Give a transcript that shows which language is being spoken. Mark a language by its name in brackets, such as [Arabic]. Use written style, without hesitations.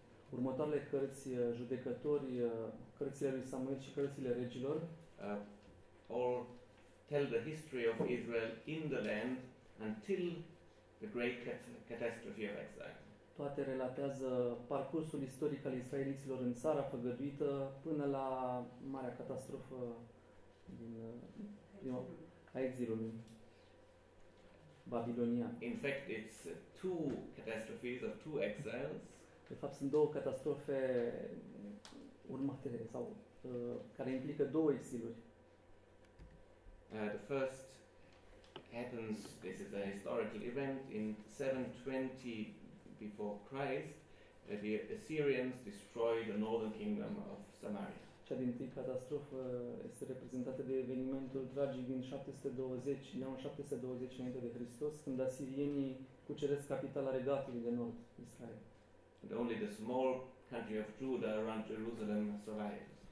[Romanian] Următoarele cărți, judecători, cărțile lui Samuel și cărțile regilor. [English] All tell the history of Israel in the land until the great catastrophe of exile. [Romanian] Toate relatează parcursul istoric al israeliților în țara făgăduită până la marea catastrofă din a exilului babilonian. [English] In fact, it's two catastrophes of two exiles. [Romanian] De fapt, sunt două catastrofe urmate sau care implică două exiluri. [English] The first happens, this is a historical event, in 720 before Christ, the Assyrians destroy the northern kingdom of Samaria. [Romanian] Cea din tâi catastrofă este reprezentată de evenimentul tragic din 720, în 720 înainte de Hristos, când asirienii cuceresc capitala regatului de nord, Israel. [English] And only the small country of Judah around Jerusalem survives.